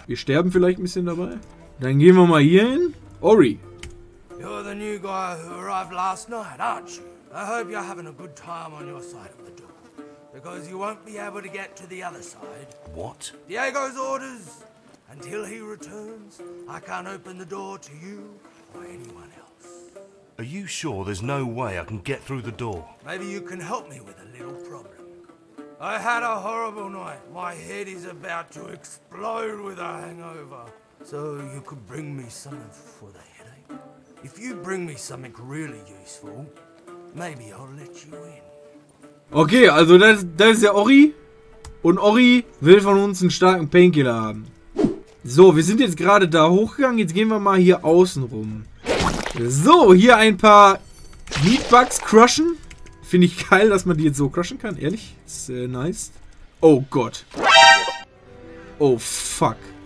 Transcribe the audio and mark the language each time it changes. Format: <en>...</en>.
<de>Wir sterben vielleicht ein bisschen dabei. Dann gehen wir mal hier hin. Ori.</de> <en>You're the new guy who arrived last night, aren't you? I hope you're having a good time on your side of the door. Because you won't be able to get to the other side. What? Diego's orders. Until he returns, I can't open the door to you or anyone else. Are you sure there's no way I can get through the door? Maybe you can help me with a little problem. I had a horrible night. My head is about to explode with a hangover. So you could bring me something for the headache? If you bring me something really useful, maybe I'll let you in.</en> <de>Okay, also das ist der Ori. Und Ori will von uns einen starken Painkiller haben. So, wir sind jetzt gerade da hochgegangen. Jetzt gehen wir mal hier außen rum. So, hier ein paar Meatbugs crushen. Finde ich geil, dass man die jetzt so crushen kann. Ehrlich, das ist nice. Oh Gott. Oh fuck.</de>